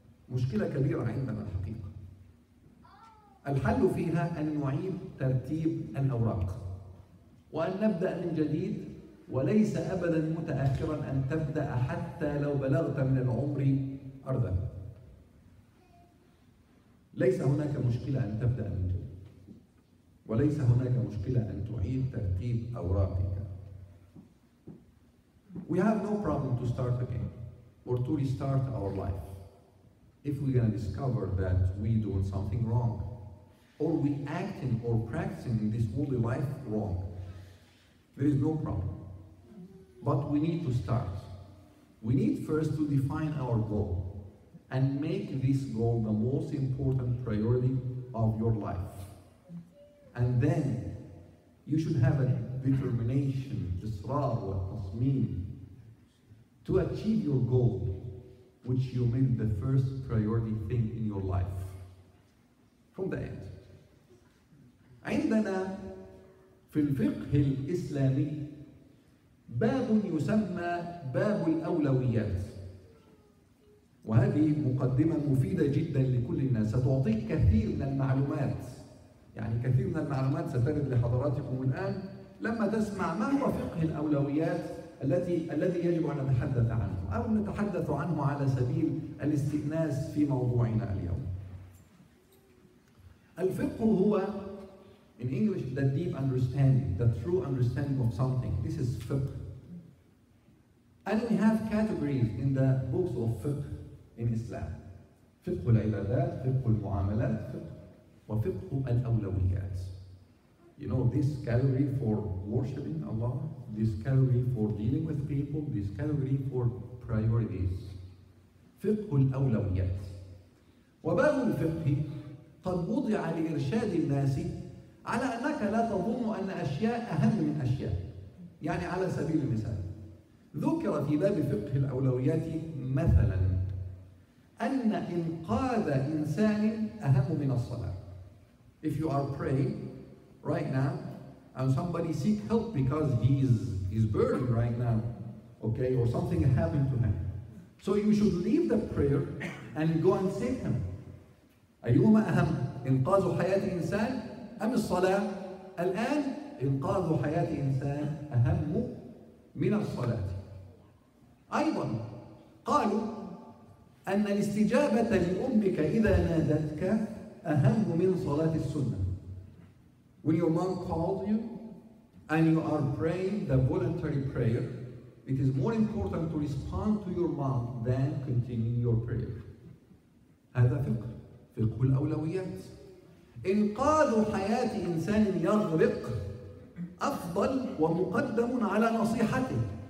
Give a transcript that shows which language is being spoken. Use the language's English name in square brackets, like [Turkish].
[Arabic] مشكلة كبيرة عندنا الحقيقة. الحل فيها أن نعيد ترتيب الأوراق وأن نبدأ من جديد، وليس أبداً متأخراً أن تبدأ حتى لو بلغت من العمر أرضاً. ليس هناك مشكلة أن تبدأ من جديد، وليس هناك مشكلة أن تعيد ترتيب أوراقك. [English] We have no problem to start again or to restart our life if we're gonna discover that we're doing something wrong or we acting or practicing in this worldly life wrong. There is no problem. But we need to start. We need first to define our goal and make this goal the most important priority of your life. And then you should have a determination, [Arabic] israr wa tasmeem, [English] to achieve your goal, which you made the first priority thing in your life. From the end. [Arabic] عندنا في الفقه الإسلامي باب يسمى باب الأولويات، وهذه مقدمة مفيدة جدا لكل الناس، ستعطيك كثير من المعلومات، يعني كثير من المعلومات سترد لحضراتكم الآن لما تسمع ما هو فقه الأولويات الذي يجب أن نتحدث عنه أو نتحدث عنه على سبيل الاستئناس في موضوعنا اليوم. الفقه هو [English] in English, the deep understanding, the true understanding of something. This is fiqh. And we have categories in the books of fiqh in Islam. [Arabic] فِقْهُ الْعِبَادَاتِ فِقْهُ الْمُعَامَلَاتِ فِقْهُ وَفِقْهُ الْأَوْلَوِيَاتِ. [English] You know, this category for worshipping Allah, this category for dealing with people, this category for priorities. [Arabic] فِقْهُ الْأَوْلَوِيَاتِ. وَبَابُ الْفِقْهِ قَدْ وُضِعَ لِإِرْشَادِ النَّاسِ عَلَى أَنَّكَ لَا تَظُنُّ أَنَّ أَشْيَاءَ أَهَمُّ مِنْ أَشْيَاءَ. يعني على سبيل المثال ذكر في باب فقه الأولويات مثلا أن إنقاذ إنسان أهم من الصلاة. [English] If you are praying right now and somebody seek help because he's burning right now, okay, or something happened to him, so you should leave the prayer and go and save him. [Arabic] أيهما أهم، إنقاذ حياة إنسان أم الصلاة؟ الآن إنقاذ حياة إنسان أهم من الصلاة. أيضا قالوا أن الاستجابة لأمك إذا نادتك أهم من صلاة السنة. [English] When your mom calls you and you are praying the voluntary prayer, it is more important to respond to your mom than continuing your prayer. [Arabic] هذا فقه، فقه الأولويات. إنقاذ حياة إنسان يغرق أفضل ومقدم على نصيحته.